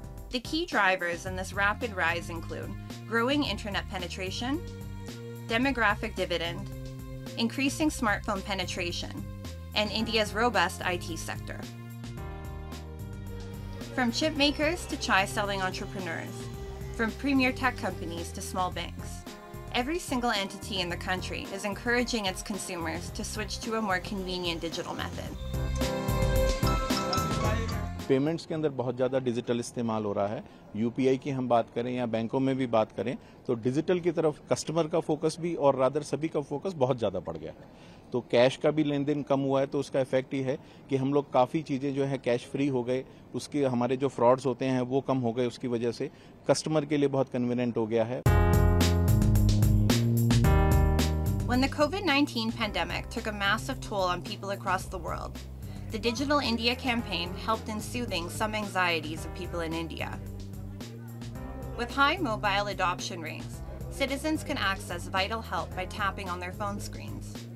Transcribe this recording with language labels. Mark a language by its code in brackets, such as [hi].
[en] The key drivers in this rapid rise include growing internet penetration, demographic dividend, increasing smartphone penetration, and India's robust IT sector. From chip makers to chai-selling entrepreneurs, from premier tech companies to small banks, every single entity in the country is encouraging its consumers to switch to a more convenient digital method. [hi] Payments के अंदर बहुत ज़्यादा digital इस्तेमाल हो रहा है UPI की हम बात करें या बैंकों में भी बात करें तो डिजिटल की तरफ कस्टमर का फोकस भी और रादर सभी का फोकस बहुत ज़्यादा बढ़ गया है तो कैश का भी लेन देन कम हुआ है तो उसका इफेक्ट ही है कि हम लोग काफ़ी चीज़ें जो है कैश फ्री हो गए उसके हमारे जो फ्रॉड्स होते हैं वो कम हो गए उसकी वजह से कस्टमर के लिए बहुत कन्वीनियंट हो गया है. [en] When the COVID-19 pandemic took a massive toll on people across the world, the Digital India campaign helped in soothing some anxieties of people in India. With high mobile adoption rates, citizens can access vital help by tapping on their phone screens.